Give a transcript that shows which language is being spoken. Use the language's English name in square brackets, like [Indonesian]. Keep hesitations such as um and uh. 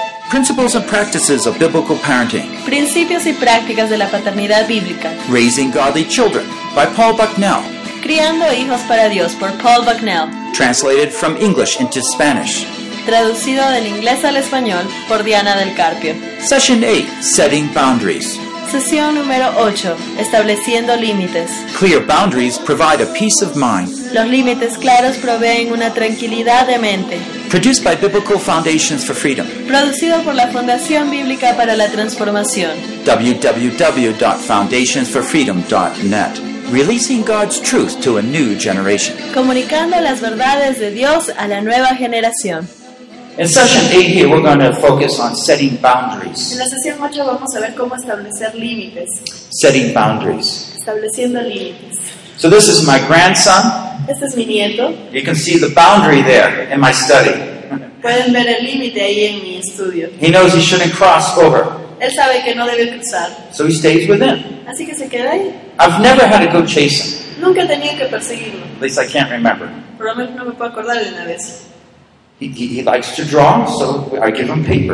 [English] Principles and practices of biblical parenting. [Spanish] Principios y prácticas de la paternidad bíblica. [English] Raising godly children by Paul Bucknell. [Spanish] Criando hijos para Dios por Paul Bucknell. [English] Translated from English into Spanish. [Spanish] Traducido del inglés al español por Diana del Carpio. [English] Session 8: Setting boundaries. [Spanish] Sesión número 8. Estableciendo límites. [English] Clear boundaries provide a peace of mind. [Spanish] Los límites claros proveen una tranquilidad de mente. [English] Produced by Biblical Foundations for Freedom. [Spanish] Producido por la Fundación Bíblica para la Transformación. [English] www.foundationsforfreedom.net. Releasing God's truth to a new generation. [Spanish] Comunicando las verdades de Dios a la nueva generación. [English] In session 8 here, we're going to focus on setting boundaries. [Spanish] En la sesión 8 vamos a ver cómo establecer límites. [English] Setting boundaries. [Spanish] Estableciendo límites. [English] So this is my grandson. [Spanish] Este es mi nieto. [English] You can see the boundary there in my study. [Spanish] Pueden ver el límite ahí en mi estudio. [English] He knows he shouldn't cross over. [Spanish] Él sabe que no debe cruzar. [English] So he stays within. [Spanish] Así que se queda ahí. [English] I've never had to go chase him. [Spanish] Nunca tenía que perseguirlo. [English] At least I can't remember. [Spanish] Por lo menos no me puedo acordar de una vez. [English] He, he, likes to draw, so I give him paper.